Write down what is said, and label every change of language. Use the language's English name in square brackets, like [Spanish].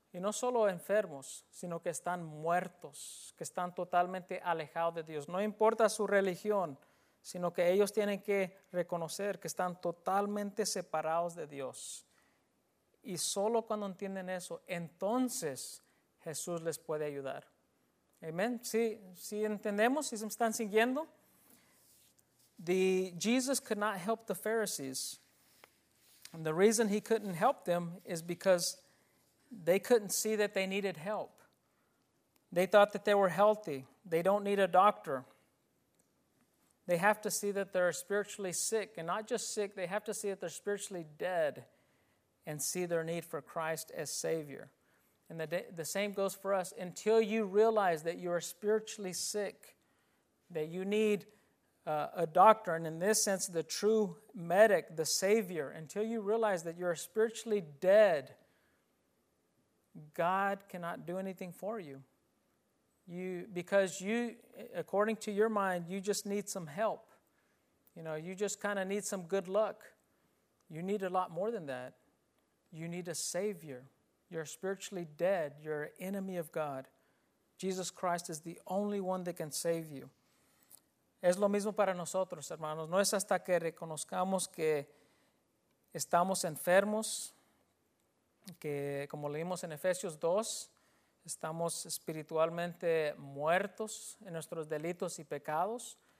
[Spanish] Y no solo enfermos, sino que están muertos, que están totalmente alejados de Dios. No importa su religión, sino que ellos tienen que reconocer que están totalmente separados de Dios. Y solo cuando entienden eso, entonces Jesús les puede ayudar. Amén. Sí, entendemos, si se están siguiendo. [English] Jesus could not help the Pharisees. And the reason he couldn't help them is because they couldn't see that they needed help. They thought that they were healthy. They don't need a doctor. They have to see that they're spiritually sick. And not just sick, they have to see that they're spiritually dead and see their need for Christ as Savior. And the same goes for us. Until you realize that you are spiritually sick, that you need a doctor, and in this sense, the true medic, the Savior, until you realize that you're spiritually dead, God cannot do anything for you. Because according to your mind, you just need some help. You know, you just kind of need some good luck. You need a lot more than that. You need a Savior. You're spiritually dead. You're an enemy of God. Jesus Christ is the only one that can save you. [Spanish] Es lo mismo para nosotros, hermanos. No es hasta que reconozcamos que estamos enfermos, que como leímos en Efesios 2, estamos espiritualmente muertos en nuestros delitos y pecados.